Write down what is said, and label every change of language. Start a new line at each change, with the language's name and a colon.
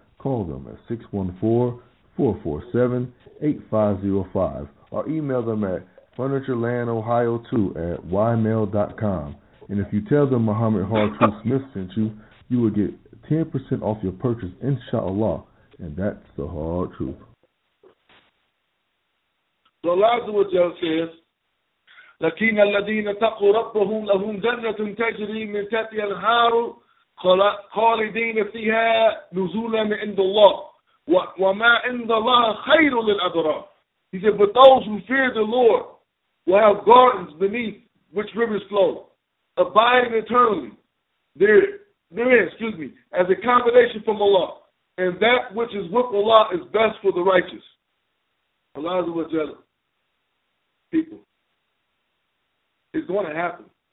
English: Call them at 614-447-8505 or email them at furniturelandohio2@ymail.com. And if you tell them Muhammad Hard Truth Smith sent you, you will get 10% off your purchase, inshallah. And that's the hard truth. The Allah says,
Arabic: لكن الذين تقوا ربهم لهم جنة تجري من تحتها الأنهار خالدين فيها نزولا من عند الله وما عند الله خير للأبرار.
English: He said, but those who fear the Lord will have gardens beneath which rivers flow, abiding eternally therein, excuse me, as a combination from Allah. And that which is with Allah is best for the righteous. Allah is with Jalla. People. It's going to happen.